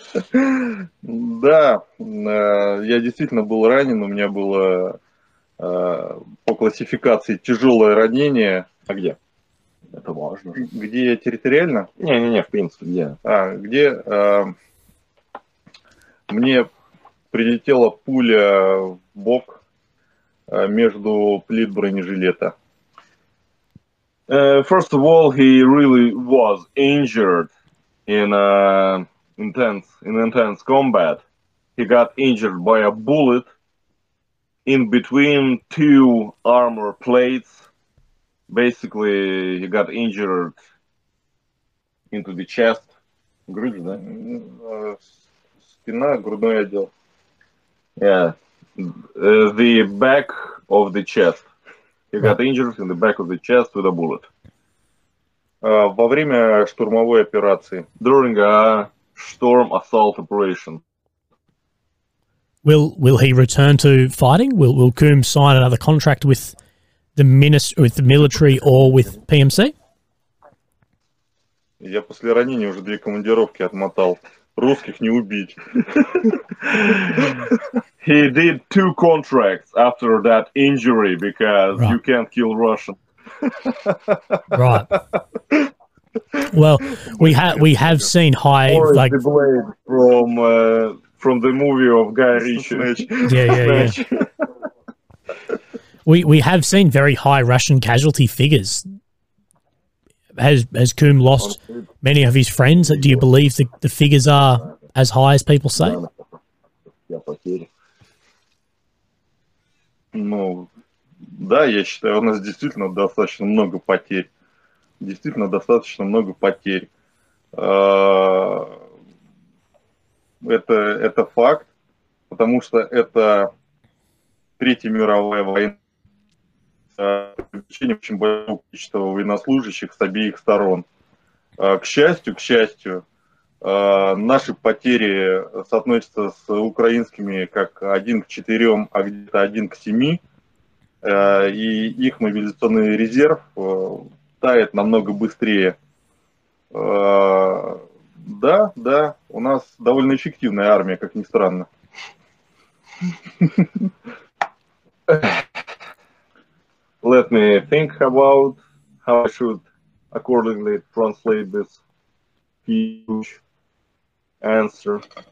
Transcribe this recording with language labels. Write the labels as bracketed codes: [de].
[ru] Да, я действительно был ранен. У меня было по классификации тяжелое ранение. А где? Это важно. Где я территориально? Не-не-не, в принципе, где? Где мне прилетела пуля в бок между плит бронежилета. [en] First of all, he really was injured in intense combat. He got injured by a bullet in between two armor plates. Basically, he got injured into the chest. [ru] Грудь, да? Спина, грудной отдел. [en] Yeah. The back of the chest. He got injured in the back of the chest with a bullet. [ru] Во время штурмовой операции. [en] During a storm assault operation. Will he return to fighting? Will Coombe sign another contract with the minister, with the military, or with PMC? [ru] Я после ранения уже две командировки отмотал. русских не убить. [en] He did two contracts after that injury because right. you can't kill Russian. Right. Well, we have seen high or like the blade from the movie of Guy Ritchie. Yeah. We have seen very high Russian casualty figures. Has Coombe lost many of his friends? Do you believe the figures are as high as people say? [ru] Ну, да, я считаю, у нас действительно достаточно много потерь. Действительно достаточно много потерь. Это факт, потому что это Третья мировая война. Причине очень большого количества военнослужащих с обеих сторон. К счастью, наши потери соотносятся с украинскими как 1-4, а где-то 1-7. И их мобилизационный резерв тает намного быстрее. Да, у нас довольно эффективная армия, как ни странно. [en] Let me think about how I should accordingly translate this huge answer.